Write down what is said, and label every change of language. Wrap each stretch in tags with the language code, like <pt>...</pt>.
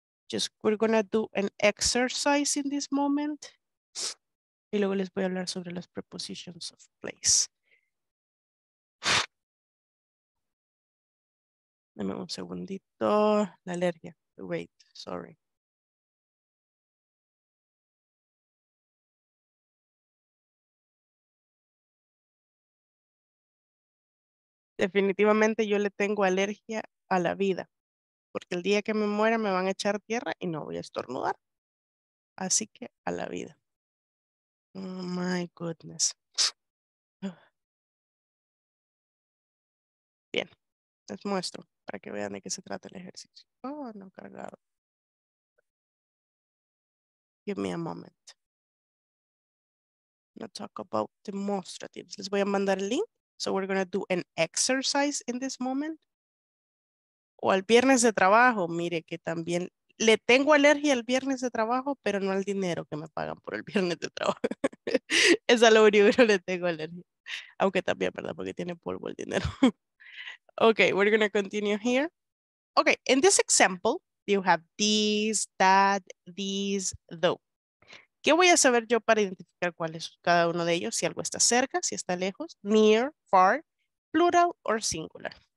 <en>Just we're gonna do an exercise in this moment.</en> <es>Y luego les voy a hablar sobre las</es> <en>prepositions of place.</en> <es>Dame un segundito. La alergia.</es> <en>Wait, sorry.</en> <es>Definitivamente yo le tengo alergia a la vida. Porque el día que me muera me van a echar tierra y no voy a estornudar. Así que a la vida.</es> <en>Oh my goodness.</en> <es>Bien, les muestro para que vean de qué se trata el ejercicio. Oh, no cargado.</es> <en>Give me a moment. No talk about demonstratives.</en> <es>Les voy a mandar el link.</es> <en>So we're going to do an exercise in this moment.</en> <es>O al viernes de trabajo, mire que también le tengo alergia al viernes de trabajo, pero no al dinero que me pagan por el viernes de trabajo. Es a lo único que no le tengo alergia. Aunque también, ¿verdad? Porque tiene polvo el dinero. Ok,</es> <en>we're going to continue here. Ok, in this example, you have these, that, these, though.</en> <es>¿Qué voy a saber yo para identificar cuál es cada uno de ellos? Si algo está cerca, si está lejos,</es> <en>near, far,</en> <es>plural o singular.</es>